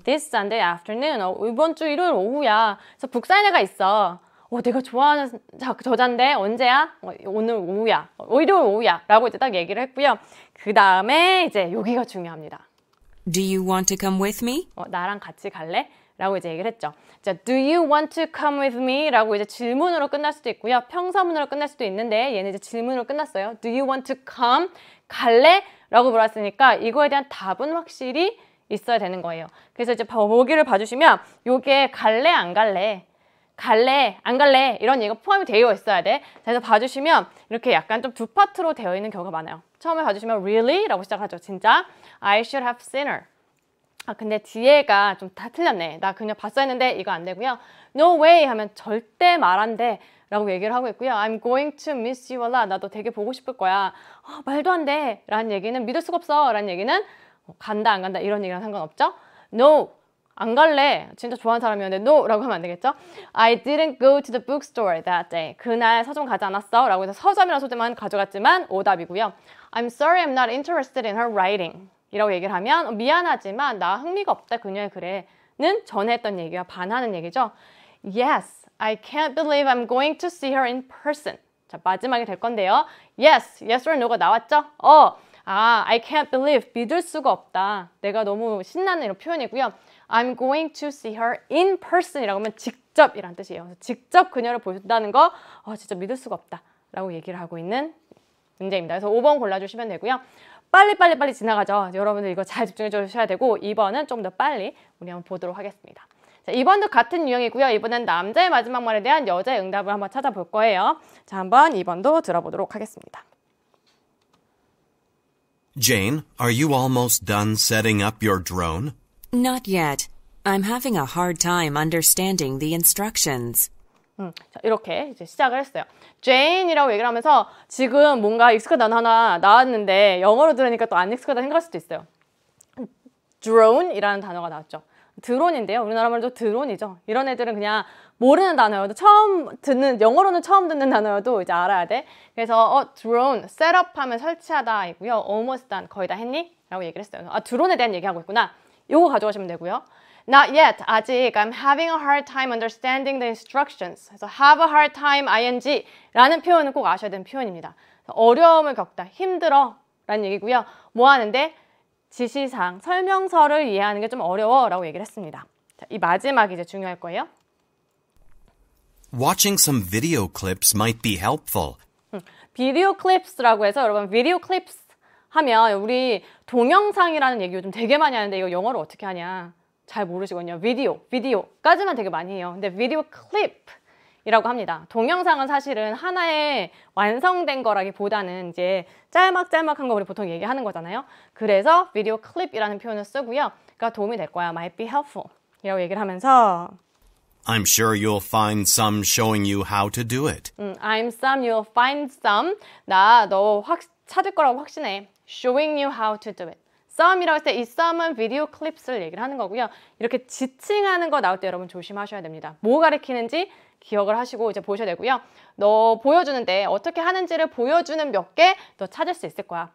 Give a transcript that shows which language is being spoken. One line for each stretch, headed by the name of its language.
English: This Sunday afternoon.
Korean: 이번 주 일요일 오후야. 그래서 북사인회가 있어. 내가 좋아하는 저자인데 언제야? 오늘 오후야. 일요일 오후야. 라고 이제 딱 얘기를 했고요. 그 다음에 이제 여기가 중요합니다.
English: Do you want to come with me?
Korean: 나랑 같이 갈래? 라고 이제 얘기를 했죠.
English: 자, Do you want to come with me?
Korean: 라고 이제 질문으로 끝날 수도 있고요. 평서문으로 끝날 수도 있는데 얘는 이제 질문으로 끝났어요.
English: Do you want to come?
Korean: 갈래? 라고 물었으니까 이거에 대한 답은 확실히 있어야 되는 거예요. 그래서 이제 보기를 봐주시면 요게 갈래 안 갈래? 갈래 안 갈래? 이런 얘기가 포함이 되어 있어야 돼. 그래서 봐주시면 이렇게 약간 좀 두 파트로 되어 있는 경우가 많아요. 처음에 봐주시면 really? 라고 시작하죠. 진짜
English: I should have seen her.
Korean: 아 근데 뒤에가 좀 다 틀렸네. 나 그냥 봤어야 했는데 이거 안 되고요.
English: No way
Korean: 하면 절대 말 안 돼 라고 얘기를 하고 있고요.
English: I'm going to miss you a lot.
Korean: 나도 되게 보고 싶을 거야. 아, 말도 안 돼 라는 얘기는 믿을 수가 없어 라는 얘기는 간다 안 간다 이런 얘기랑 상관없죠. No 안 갈래 진짜 좋아하는 사람이었는데 No 라고 하면 안 되겠죠.
English: I didn't go to the bookstore that day.
Korean: 그날 서점 가지 않았어 라고 해서 서점이랑 서점만 가져갔지만 오답이고요.
English: I'm sorry I'm not interested in her writing
Korean: 이라고 얘기를 하면 미안하지만 나 흥미가 없다 그녀의 글에는 전에 했던 얘기와 반하는 얘기죠.
English: Yes, I can't believe I'm going to see her in person.
Korean: 자, 마지막이 될 건데요.
English: Yes, yes or no
Korean: 가 나왔죠?
English: I can't believe,
Korean: 믿을 수가 없다. 내가 너무 신나는 이런 표현이고요.
English: I'm going to see her in person
Korean: 이라고 하면 직접 이란 뜻이에요. 직접 그녀를 보신다는 거 진짜 믿을 수가 없다 라고 얘기를 하고 있는 문제입니다. 그래서 5번 골라주시면 되고요. 빨리 지나가죠. 여러분들 이거 잘 집중해 주셔야 되고 2번은 좀 더 빨리 우리 한번 보도록 하겠습니다. 자, 2번도 같은 유형이고요. 이번엔 남자의 마지막 말에 대한 여자의 응답을 한번 찾아볼 거예요. 자, 한번 2번도 들어보도록 하겠습니다.
English: Jane, are you almost done setting up your drone? Not yet. I'm having a hard time understanding the instructions.
Korean: 자, 이렇게 이제 시작을 했어요. Jane이라고 얘기를 하면서 지금 뭔가 익숙한 단어 하나 나왔는데 영어로 들으니까 또 안 익숙하다 생각할 수도 있어요. Drone이라는 단어가 나왔죠. 드론인데요. 우리나라 말로 드론이죠. 이런 애들은 그냥 모르는 단어여도 처음 듣는 영어로는 처음 듣는 단어여도 이제 알아야 돼. 그래서 드론, 셋업하면 설치하다이고요.
English: Almost done,
Korean: 거의 다 했니? 라고 얘기를 했어요. 아, 드론에 대한 얘기하고 있구나. 이거 가져가시면 되고요.
English: Not yet.
Korean: 아직
English: I'm having a hard time understanding the instructions.
Korean: 그래서 have a hard time ing라는 표현은 꼭 아셔야 되는 표현입니다. 어려움을 겪다, 힘들어 라는 얘기고요. 뭐 하는데? 지시사항, 설명서를 이해하는 게 좀 어려워 라고 얘기를 했습니다. 자, 이 마지막이 이제 중요할 거예요.
English: Watching some video clips might be helpful.
Korean: 비디오 클립스라고 해서 여러분 비디오 클립스 하면 우리 동영상이라는 얘기 요즘 되게 많이 하는데 이거 영어로 어떻게 하냐 잘 모르시거든요. 비디오까지만 되게 많이 해요. 근데 비디오 클립이라고 합니다. 동영상은 사실은 하나의 완성된 거라기보다는 이제 짤막짤막한 거 우리 보통 얘기하는 거잖아요. 그래서 비디오 클립이라는 표현을 쓰고요. 그러니까 도움이 될 거야.
English: Might be helpful
Korean: 이라고 얘기를 하면서
English: I'm sure you'll find some showing you how to do it. I'm some, you'll find some.
Korean: 나 너 확 찾을 거라고 확신해.
English: Showing you how to do it.
Korean: Some이라고 했을 때 이 some은 비디오 클립스를 얘기를 하는 거고요. 이렇게 지칭하는 거 나올 때 여러분 조심하셔야 됩니다. 뭐 가리키는지 기억을 하시고 이제 보셔야 되고요. 너 보여주는데 어떻게 하는지를 보여주는 몇 개 너 찾을 수 있을 거야.